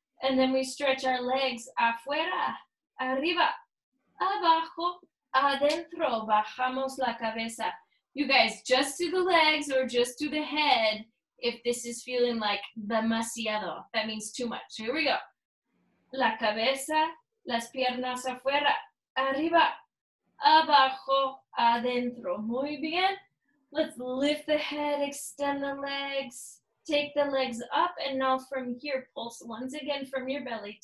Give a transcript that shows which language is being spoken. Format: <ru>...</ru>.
<en>And then we stretch our legs</en> <es>afuera. Arriba, abajo, adentro. Bajamos la cabeza.</es> <en>You guys, just do the legs or just do the head. If this is feeling like demasiado, that means too much. So here we go.</en> <es>La cabeza, las piernas afuera, arriba, abajo, adentro. Muy bien.</es> <en>Let's lift the head, extend the legs, take the legs up, and now from here, pulse once again from your belly.</en>